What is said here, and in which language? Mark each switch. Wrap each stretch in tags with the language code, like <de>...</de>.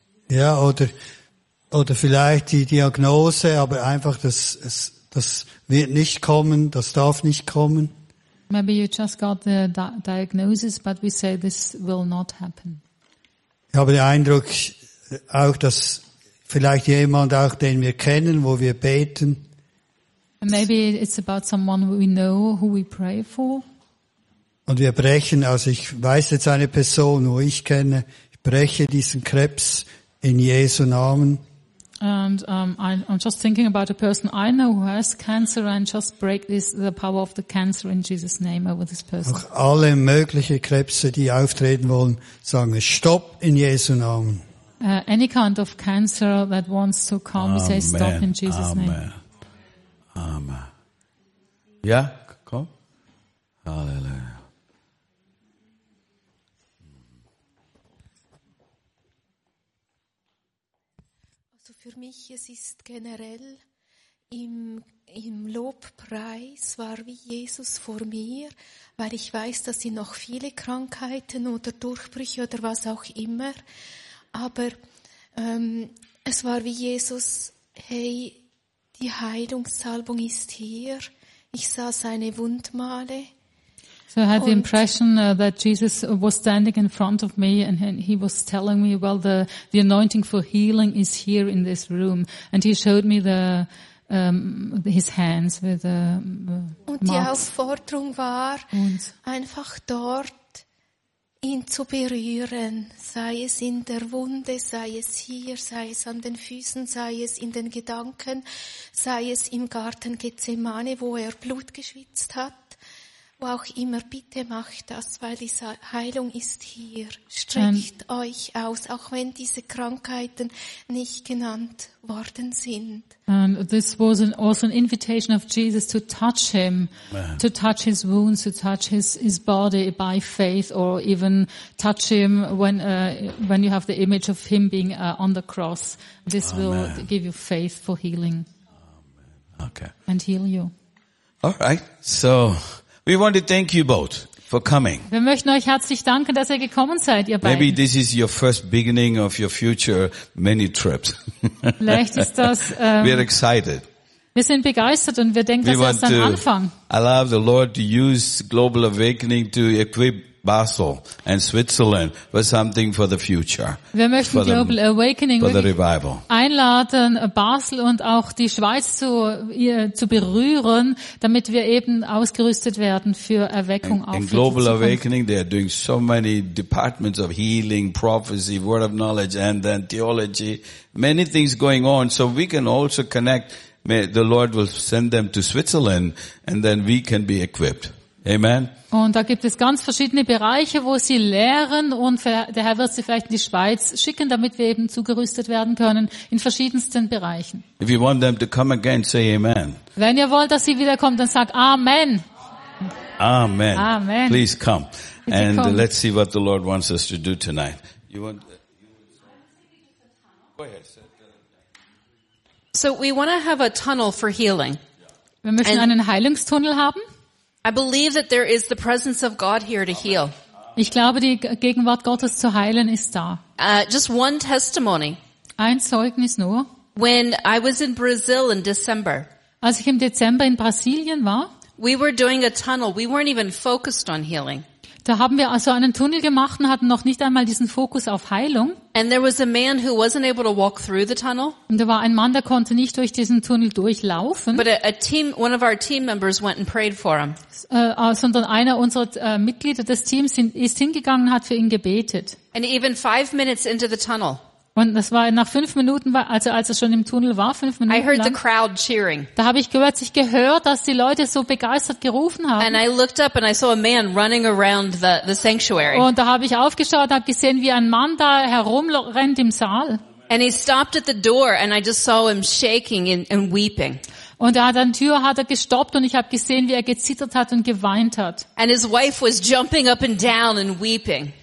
<de>Ja, oder vielleicht die Diagnose, aber einfach das wird nicht kommen, das darf nicht kommen.</de> <en>Maybe you just got the diagnosis, but we say this will not happen.</en> <de>Ich habe den Eindruck auch, dass vielleicht jemand auch, den wir kennen, wo wir beten.</de> <en>Maybe it's about someone we know, who we pray for.</en> <de>Und wir brechen, also ich weiß jetzt eine Person, wo ich kenne, ich breche diesen Krebs in Jesu Namen.</de> <en>And I'm just thinking about a person I know who has cancer and just break the power of the cancer in Jesus name over this person.</en> <de>Auch alle möglichen Krebse, die auftreten wollen, sagen Stopp in Jesu Namen.</de> <en>Any kind of cancer that wants to come, amen. Say stop in Jesus' amen. Name. Amen. Yeah, come. Hallelujah.</en> <de>mich, es ist generell im Lobpreis war wie Jesus vor mir, weil ich weiß, dass sie noch viele Krankheiten oder Durchbrüche oder was auch immer, aber es war wie Jesus, hey, die Heilungssalbung ist hier, ich sah seine Wundmale.</de> <en>So I had the impression that Jesus was standing in front of me and he was telling me, well, the anointing for healing is here in this room. And he showed me his hands with the marks.</en> <de>Und die Aufforderung war, einfach dort ihn zu berühren, sei es in der Wunde, sei es hier, sei es an den Füßen, sei es in den Gedanken, sei es im Garten Gethsemane, wo er Blut geschwitzt hat. Wo auch immer, bitte macht das, weil diese Heilung ist hier. Streckt euch aus, auch wenn diese Krankheiten nicht genannt worden sind.</de> <en>And this was also an invitation of Jesus to touch him, man. To touch his wounds, to touch his body by faith, or even touch him when you have the image of him being on the cross. This will give you faith for healing. Amen. Okay. And heal you. All right. So. We want to thank you both for coming.</en> <de>Wir möchten euch herzlich danken, dass ihr gekommen seid, ihr beiden.</de> <en>Maybe this is your first beginning of your future many trips.</en> <de>Vielleicht ist das</de> <en>We're excited.</en> <de>Wir sind begeistert und wir denken, dass das ist ein Anfang.</de> <en>I love the Lord to use Global Awakening to equip Basel and Switzerland for something for the future.</en> <de>Wir möchten Global Awakening</de> <en>for the revival.</en> <de>Einladen, Basel und auch die Schweiz zu berühren, damit wir eben ausgerüstet werden für Erweckung auf.</de> <en>In Global Awakening, they are doing so many departments of healing, prophecy, word of knowledge, and then theology. Many things going on, so we can also connect. The Lord will send them to Switzerland, and then we can be equipped. Amen.</en> <de>Und da gibt es ganz verschiedene Bereiche, wo sie lehren und der Herr wird sie vielleicht in die Schweiz schicken, damit wir eben zugerüstet werden können in verschiedensten Bereichen.</de> <en>If you want them to come again, say amen.</en> <de>Wenn ihr wollt, dass sie wiederkommt, dann sagt Amen. Amen. Amen.</de> <en>Please come.</en> <de>Bitte</de> <en>and kommt. Let's see what the Lord wants us to do tonight. You want go ahead. So we want to have a tunnel for healing.</en> <de>Wir möchten einen Heilungstunnel haben.</de> <en>I believe that there is the presence of God here to heal.</en> <de>Ich glaube, die Gegenwart Gottes zu heilen ist da.</de> <en>Just one testimony.</en> <de>Ein Zeugnis nur.</de> <en>When I was in Brazil in December.</en> <de>Als ich im Dezember in Brasilien war.</de> <en>We were doing a tunnel. We weren't even focused on healing.</en> <de>Da haben wir also einen Tunnel gemacht und hatten noch nicht einmal diesen Fokus auf Heilung.</de> <en>And there was a man who wasn't able to walk through the tunnel.</en> <de>Und da war ein Mann, der konnte nicht durch diesen Tunnel durchlaufen.</de> <en>But a team, one of our team members went and prayed for him.</en> <de>Sondern einer unserer Mitglieder des Teams ist hingegangen und hat für ihn gebetet.</de> <en>And even 5 minutes into the tunnel.</en> <de>Und das war nach 5 Minuten, also als er schon im Tunnel war, 5 Minuten lang.</de> <en>I heard the crowd cheering.</en> <de>Da habe ich gehört, dass die Leute so begeistert gerufen haben.</de> <en>And I looked up and I saw a man running around the sanctuary.</en> <de>Und da habe ich aufgeschaut, habe gesehen, wie ein Mann da herumrennt im Saal.</de> <en>And he stopped at the door and I just saw him shaking and weeping.</en> <de>Und er hat an der Tür gestoppt und ich habe gesehen, wie er gezittert hat und geweint hat.</de> <en>And his wife was jumping up and down and weeping.</en>